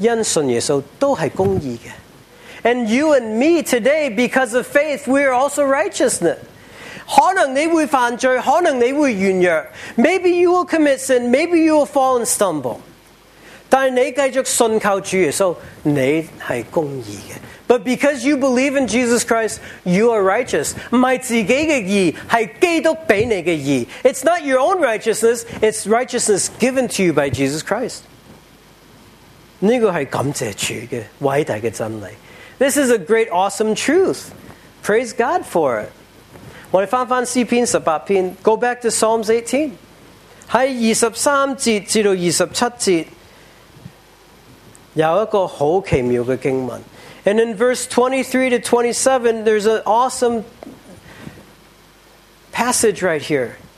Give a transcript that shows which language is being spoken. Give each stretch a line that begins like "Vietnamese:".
Chinese: 你和我因信耶稣都是公义的。
English: And you and me today, because of faith, we are also righteousness.
Chinese: 可能你会犯罪，可能你会软弱。
English: Maybe you will commit sin, maybe you will fall and stumble.
Chinese: 但你继续信靠主耶稣，你是公义的。
English: But because you believe in Jesus Christ, you are righteous.
Chinese: 不是自己的义，是基督给你的义。
English: It's not your own righteousness, it's righteousness given to you by Jesus Christ.
Chinese: 这个是感谢主的伟大的真理。
English: This is a great, awesome truth. Praise God for it.
Chinese: 我们翻翻诗篇18篇,
English: go back to Psalms 18.
Chinese: 在23节至27节, 有一个好奇妙的经文。
English: And in verse 23 to 27, there's an awesome passage right here.